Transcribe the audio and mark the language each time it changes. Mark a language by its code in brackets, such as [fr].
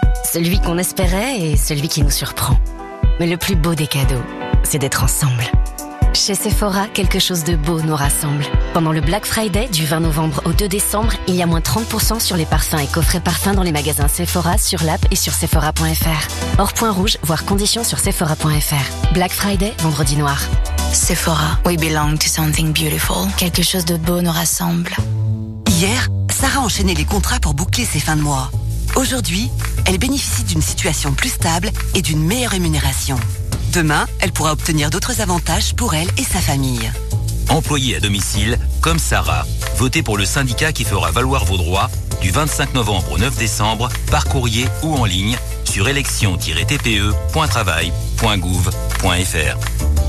[fr] Celui qu'on espérait et celui qui nous surprend. Mais le plus beau des cadeaux, c'est d'être ensemble. Chez Sephora, quelque chose de beau nous rassemble. Pendant le Black Friday, du 20 novembre au 2 décembre, il y a moins 30% sur les parfums et coffrets parfums dans les magasins Sephora, sur l'app et sur Sephora.fr. Hors point rouge, voire conditions sur Sephora.fr. Black Friday, vendredi noir. [en] Sephora, we belong to something beautiful. [fr] Quelque chose de beau nous rassemble. Hier, Sarah enchaînait les contrats pour boucler ses fins de mois. Aujourd'hui, elle bénéficie d'une situation plus stable et d'une meilleure rémunération. Demain, elle pourra obtenir d'autres avantages pour elle et sa famille. Employée à domicile, comme Sarah, votez pour le syndicat qui fera valoir vos droits du 25 novembre au 9 décembre par courrier ou en ligne sur election-tpe.travail.gouv.fr.